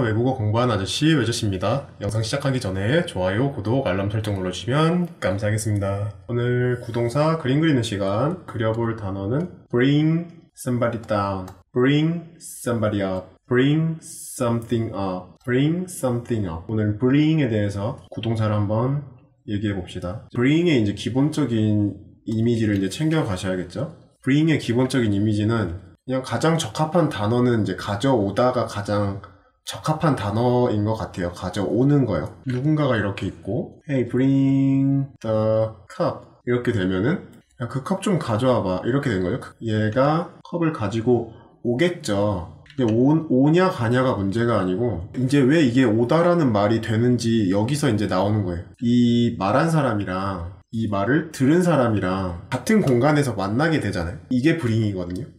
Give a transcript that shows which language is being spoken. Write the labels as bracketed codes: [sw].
[ko] 외국어 공부하는 아저씨 외저씨입니다. 영상 시작하기 전에 좋아요, 구독, 알람 설정 눌러주시면 감사하겠습니다. 오늘 구동사 그림 그리는 시간 그려볼 단어는 bring somebody down, bring somebody up, bring something up, bring something up. 오늘 bring에 대해서 구동사를 한번 얘기해 봅시다. bring의 이제 기본적인 이미지를 이제 챙겨 가셔야겠죠? bring의 기본적인 이미지는 그냥 가장 적합한 단어는 이제 가져오다가 가장 적합한 단어인 것 같아요. 가져오는 거요. 누군가가 이렇게 있고, [en] Hey, bring the cup. [ko] 이렇게 되면은, 야, 그컵좀 가져와봐. 이렇게 된 거예요. 얘가 컵을 가지고 오겠죠. 근데 오냐 가냐가 문제가 아니고, 이제 왜 이게 오다라는 말이 되는지 여기서 이제 나오는 거예요. 이 말한 사람이랑, 이 말을 들은 사람이랑 같은 공간에서 만나게 되잖아요. 이게 bring이거든요.